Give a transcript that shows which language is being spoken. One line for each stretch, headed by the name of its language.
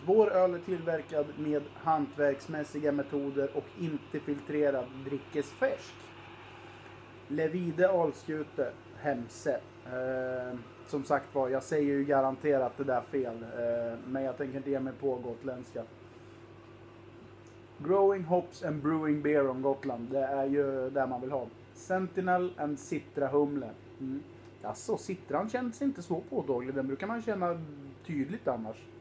Swedish: Vår öl är tillverkad med hantverksmässiga metoder och inte filtrerad, drickes färsk. Levide Alskute, Hemse. Som sagt var, jag säger ju garanterat det där fel, men jag tänker inte ge mig på gotländska.
English: Growing hops and brewing beer on Gotland.
Swedish: Det är ju där man vill ha. Sentinel and Citra humle. Mm. Alltså, citran känns inte så pådaglig. Den brukar man känna tydligt annars.